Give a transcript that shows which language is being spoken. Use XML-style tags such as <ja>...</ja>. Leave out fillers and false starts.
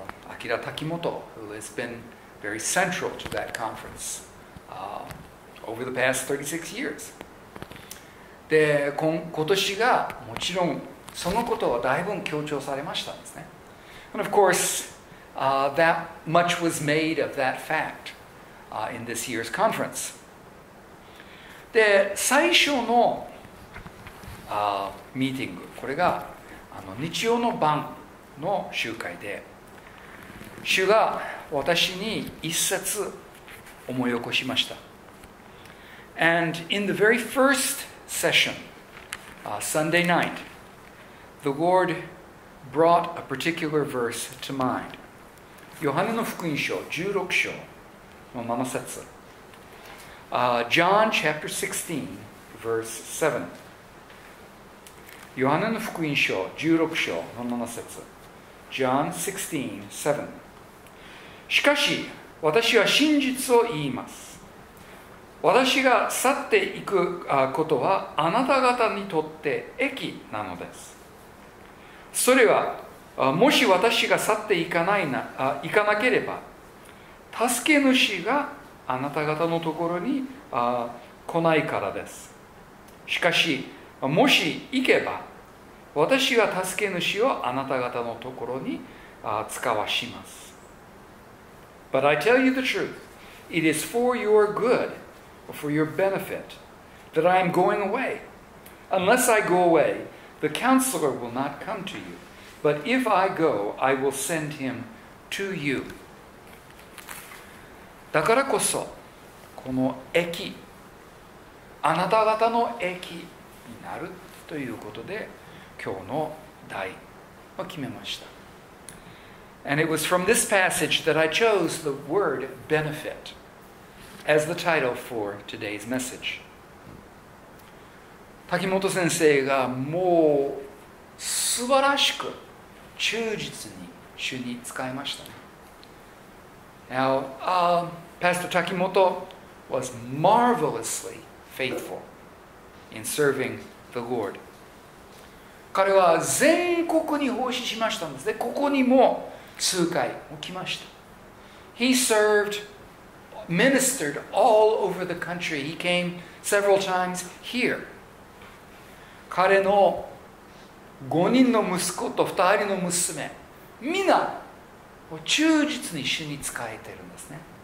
<en>Akira Takimoto, who has been very central to that conference over the past 36 years.</en> <ja>で、今年がもちろんそのことはだいぶ強調されましたんですね。</ja> <en>And of course, that much was made of that fact in this year's conference.</en> <ja>で、最初の meeting、これが日曜の晩の集会で。主が私に一節思い起こしました。</ja> <en>And in the very first session, Sunday night, the Lord brought a particular verse to mind.</en> <ja>ヨハネの福音書16章の7節。</ja> <en>John chapter 16, verse 7.</en> <ja>ヨハネの福音書16章の7節。</ja> <en>John 16, 7.</en> <ja>しかし私は真実を言います。私が去っていくことはあなた方にとって益なのです。それはもし私が去っていかないな、行かなければ助け主があなた方のところに来ないからです。しかしもし行けば私が助け主をあなた方のところに使わします。</ja> <en>But I tell you the truth, it is for your good, for your benefit, that I am going away. Unless I go away, the counselor will not come to you. But if I go, I will send him to you.</en> <ja>だからこそ、この益、あなた方の益になるということで、今日の題を決めました。</ja> <en>And it was from this passage that I chose the word benefit as the title for today's message.</en> <ja>滝本先生がもう素晴らしく忠実に主に使いましたね。</ja> <en>Now, Pastor Takimoto was marvelously faithful in serving the Lord.</en> <ja>彼は全国に奉仕しましたんですね。ここにも数回も来ました。</ja> <en>He served, ministered all over the country. He came several times here.</en> <ja>彼の5人の息子と2人の娘、みんな忠実に主に仕えてるんですね。</ja>